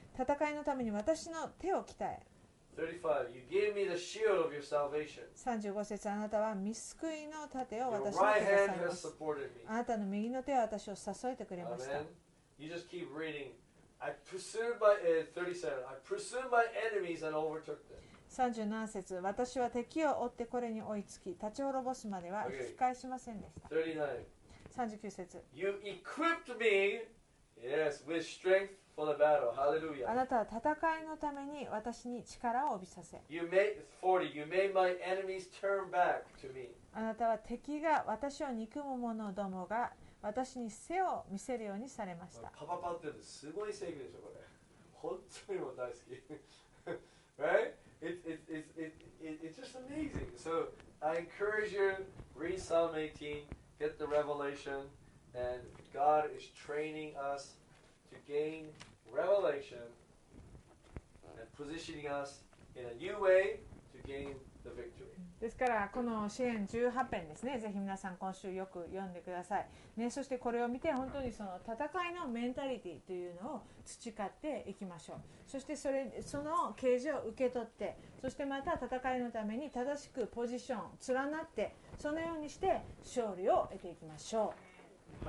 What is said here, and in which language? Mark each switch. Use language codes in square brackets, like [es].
[ja] 戦いのために私の手を鍛え。 [en] 35, you give me the shield of your salvation. [ja] 35節、あなたは御救いの盾を私に与えられます。あなたの右の手は私を支えてくれました。 [en] Amen. You just keep readingI pursued my, 37, I pursued my enemies and overtook them. [ja] 37節、私は敵を追ってこれに追いつき、立ち滅ぼすまでは引き返しませんでした。 39節、 [en] You equipped me, yes, with strength for the battle. Hallelujah. [ja] あなたは戦いのために私に力を帯びさせ。 [en] You made my enemies turn back to me. [ja] あなたは敵が私を憎む者どもが私に背を見せるようにされました。パパパってすごい正義でしょ。これ本当にも大好き Right? [en] It's just amazing. So I encourage you, read Psalm 18, get the revelation, and God is training us to gain revelation and positioning us in a new way to gain the victory. [ja] ですからこの詩編18編ですね、ぜひ皆さん今週よく読んでください、ね、そしてこれを見て本当にその戦いのメンタリティというのを培っていきましょう。そしてその啓示を受け取って、そしてまた戦いのために正しくポジション連なって、そのようにして勝利を得ていきましょう。